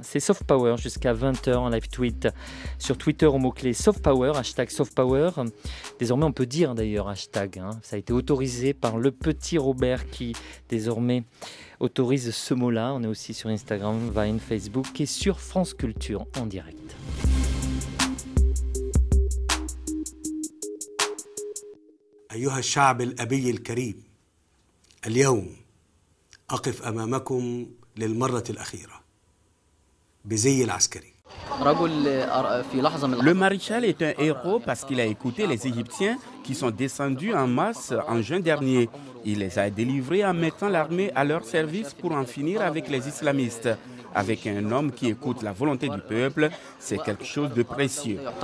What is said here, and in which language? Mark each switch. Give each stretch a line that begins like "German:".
French: C'est Soft Power jusqu'à 20h en live tweet sur Twitter au mot-clé Soft Power, hashtag Soft Power. Désormais on peut dire d'ailleurs hashtag, hein, ça a été autorisé par le petit Robert qui désormais autorise ce mot-là. On est aussi sur Instagram, Vine, Facebook et sur France Culture en direct.
Arabic: أيها الشعب الأبي الكريم اليوم أقف أمامكم للمرة الأخيرة بزي العسكري.
French: Le maréchal est un héros parce qu'il a écouté les Égyptiens qui sont descendus en masse en juin dernier. Il les a délivrés en mettant l'armée à leur service pour en finir avec les islamistes. Avec un homme qui écoute la volonté du peuple, c'est quelque chose de précieux.